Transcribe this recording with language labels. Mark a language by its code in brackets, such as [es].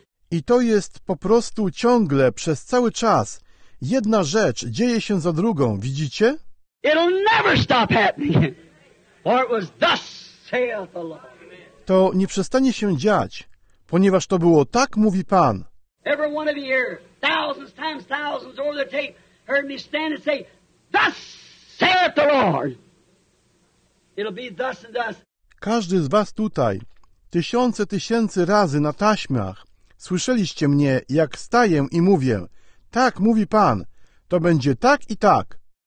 [pl] I to jest po prostu ciągle, przez cały czas, jedna rzecz dzieje się za drugą, widzicie? [en] It'll never stop happening. For it was thus saith the Lord. [pl] To nie przestanie się dziać, ponieważ to było tak, mówi Pan. [en] Every one of you here, thousands times thousands over the tape, heard me stand and say, thus saith the Lord. It'll be thus and thus. [pl] Każdy z was tutaj, tysiące, tysięcy razy na taśmach, słyszeliście mnie, jak staję i mówię, tak, mówi Pan, to będzie tak i tak.